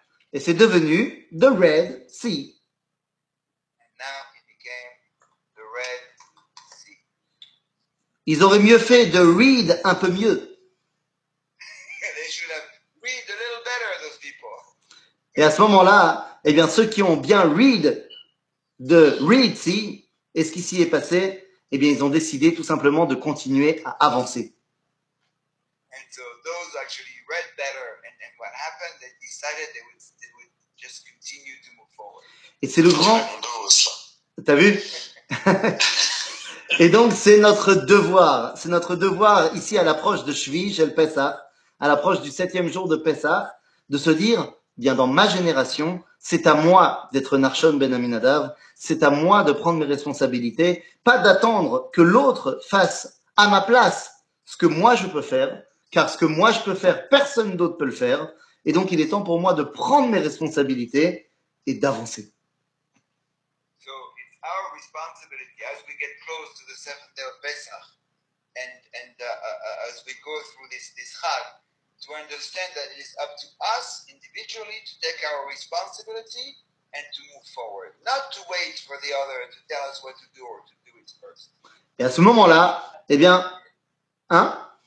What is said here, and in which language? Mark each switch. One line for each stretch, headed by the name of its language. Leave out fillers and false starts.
French: Et c'est devenu
English: the Red Sea. And now it became the Red Sea.
French: Ils auraient mieux fait de read un peu mieux.
English: They should have read a little better, those people.
French: Et à ce moment-là, eh bien, ceux qui ont bien read de Red Sea, et ce qui s'y est passé, eh bien, ils ont décidé tout simplement de continuer à avancer.
English: And so those actually read better, and what happened, they decided they would just continue to move forward.
French: Et c'est le grand... T'as vu? Et donc, c'est notre devoir. C'est notre devoir, ici, à l'approche de Shviv, Shel Pessah, à l'approche du septième jour de Pessah, de se dire, bien, dans ma génération, c'est à moi d'être Narshon Ben Aminadav, c'est à moi de prendre mes responsabilités, pas d'attendre que l'autre fasse à ma place ce que moi je peux faire, car ce que moi je peux faire, personne d'autre peut le faire. Et donc, il est temps pour moi de prendre mes responsabilités et d'avancer.
English: So, it's our responsibility as we get close to the seventh day of Pesach and as we go through this Chag, to understand that it is up to us individually to take our responsibility and to move forward. Not to wait for the other to tell us what to do or to do it first.
French: Et à ce moment-là, eh bien, hein?